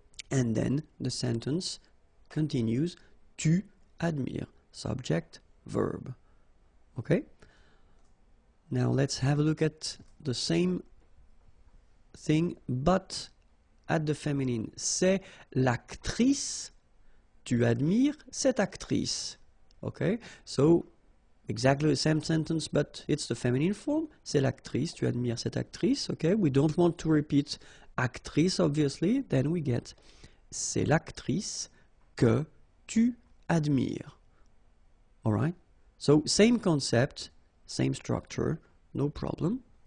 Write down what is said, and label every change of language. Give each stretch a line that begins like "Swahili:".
English: And then the sentence continues.
French: Tu admires.
English: Subject, verb. Okay? Now let's have a look at the same thing, but at the feminine.
French: C'est l'actrice, tu admires cette actrice.
English: Okay, so Exactly the same sentence, but it's the feminine form.
French: C'est l'actrice. Tu admires cette actrice.
English: Okay, we don't want to repeat actrice, obviously. Then we get
French: c'est l'actrice que tu admires.
English: All right? So, same concept, same structure, no problem.